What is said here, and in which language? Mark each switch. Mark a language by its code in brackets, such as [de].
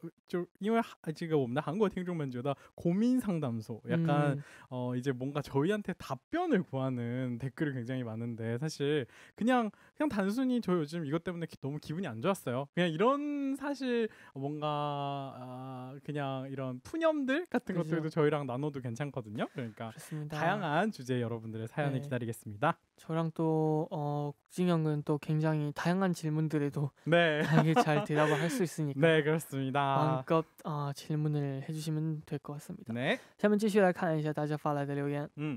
[zh] 欢迎回来，我是恩迪，您正在收听的是《运动首尔》周一的固定栏目，我们的小树洞。那我方面呢，还是我们的大可爱古镇。依然是古镇，在第二部陪伴大家一起这个分享你们的小秘密啊。是的。我觉得第一部分享的这些留言有点这个，比起是分享苦恼，真的是向我们寻求答案。我觉得其实不一定说我们能给出什么好的这个，就是因为这个我们的韩国听众们觉得 [ko] 고민상담소 약간 이제 뭔가 저희한테 답변을 구하는 댓글이 굉장히 많은데 사실 그냥 단순히 저 요즘 이것 때문에 너무 기분이 안 좋았어요. 그냥 이런 사실 뭔가 그냥 이런 푸념들 같은 그죠. 것들도 저희랑 나눠도 괜찮거든요. 그러니까 그렇습니다. 다양한 주제 여러분들의 사연을 네. 기다리겠습니다. 저랑 또 국진형은 또 굉장히 다양한 질문들에도 네. 다양하게 잘 대답을 할 수 있으니까 네 그렇습니다. 마음껏 질문을 해주시면 될 것 같습니다. 네. [zh] 下面继续来看一下大家发来的留言。